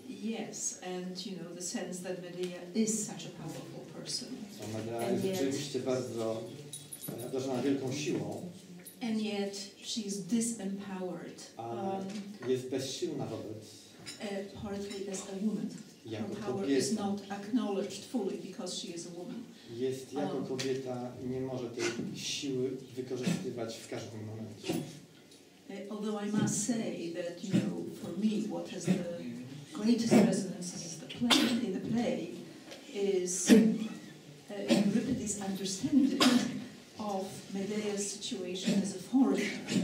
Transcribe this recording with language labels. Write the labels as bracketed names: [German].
[English] Yes, and you know the sense that Medea is such a powerful person. [Polish] So Medea jest rzeczywiście bardzo obdarzona wielką siłą. [English] And yet she's disempowered. [Polish] Jest bezsilna wobec. [English] Partly as a woman. [Polish] Jako [English] her power [Polish] kobieta. [English] Is not acknowledged fully because she is a woman. [Polish] Jest jako kobieta nie może tej siły wykorzystywać w każdym momencie. [English] Although I must say that, you know, for me what has the greatest resonance is in the play is Euripides' understanding of Medea's situation as a foreigner.